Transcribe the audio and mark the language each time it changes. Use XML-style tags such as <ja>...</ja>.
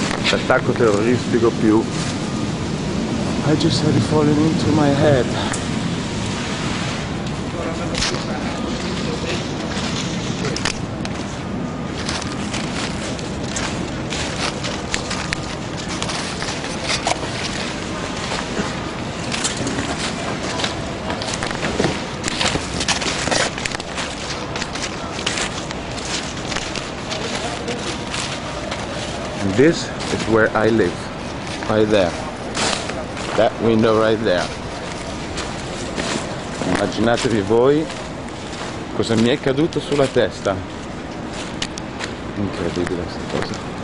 <it>L'attacco terroristico più.</it> <en>I just had it falling into my head. This is where I live. right there. That window right there.</en> <it>Immaginatevi voi cosa mi è caduto sulla testa. Incredibile questa cosa.</it>